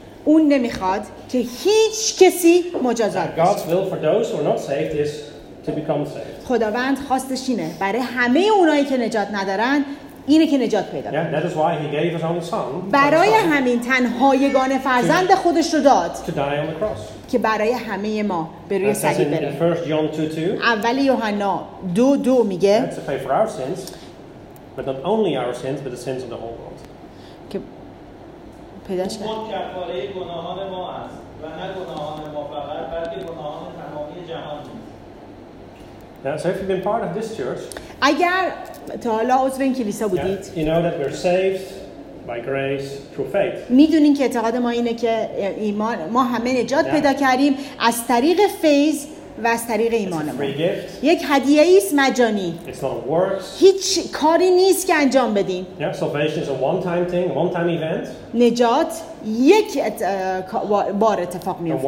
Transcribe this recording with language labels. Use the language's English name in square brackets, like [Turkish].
[Persian] اون نمیخواد که هیچ کسی مجازات بشه. [English] God's will for those who are not saved is to become saved. [Persian] خداوند خواستش اینه برای همه اونایی که نجات ندارن اینه که نجات پیدا کنن. [English] Yeah, that is why he gave his only son. [Persian] برای همین تنها یگانه فرزند خودش رو داد. [English] To die on the cross. [Persian] که برای همه ما به روی صلیب بره. [English] 1 John 2:2. [Persian] اول یوحنا 2:2 میگه. [English] That's to pay for our sins, but not only our sins, but the sins of the whole world. [Persian] پیدا شد. اون کفاره گناهان ما است و نه گناهان ما فقط بلکه گناهان تمامی جهان [English] Now, so if you've been part of this church, [Persian] اگر تا حالا عضو این کلیسا بودید [English] you know that we're saved by grace through faith. [Persian] میدونین که اعتقاد ما اینه که ایمان ما همه نجات پیدا کردیم از طریق فیض و از طریق ایمان ما. یک هدیه ایست مجانی. [English] It's not works. [Persian] هیچ کاری نیست که انجام بدیم. [English] Yeah, salvation is a one-time thing, one-time event. [Persian] نجات یک بار اتفاق میفته.